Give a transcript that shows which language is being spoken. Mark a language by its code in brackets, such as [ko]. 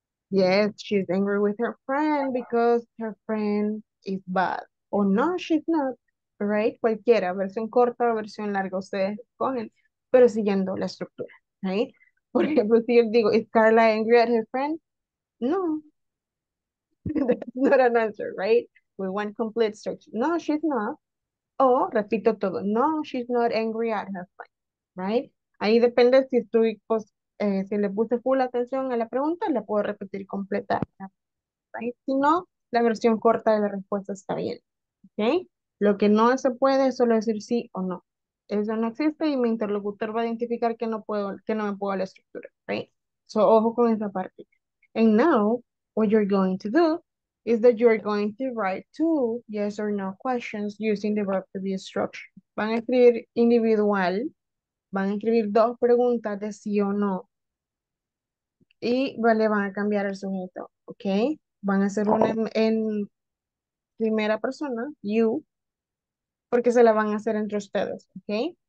[en] Yes, she's angry with her friend because her friend is bad. Or no, she's not, right? [es] Cualquiera, versión corta o versión larga, ustedes escogen, pero siguiendo la estructura, [en] right? [es] Por ejemplo, si yo digo, [en] is Carla angry at her friend? No. That's not an answer, right? We want complete structure. No, she's not. [es] O, repito todo, [en] no, she's not angry at her friend, right? [es] Ahí depende si estoy, pues, si le puse full atención a la pregunta, la puedo repetir completa, [en] right? [es] Si no, la versión corta de la respuesta está bien, okay? Lo que no se puede es solo decir sí o no. Eso no existe y mi interlocutor va a identificar que no puedo, que no me puedo a la estructura, [en] right? So, [es] ojo con esa parte. [en] And now, what you're going to do is that you're going to write 2 yes or no questions using the verb to be structure. [es] Van a escribir individual, van a escribir 2 preguntas de sí o no, y le van a cambiar el sujeto, ¿ok? Van a hacer una en primera persona, you, porque se la van a hacer entre ustedes, ¿ok?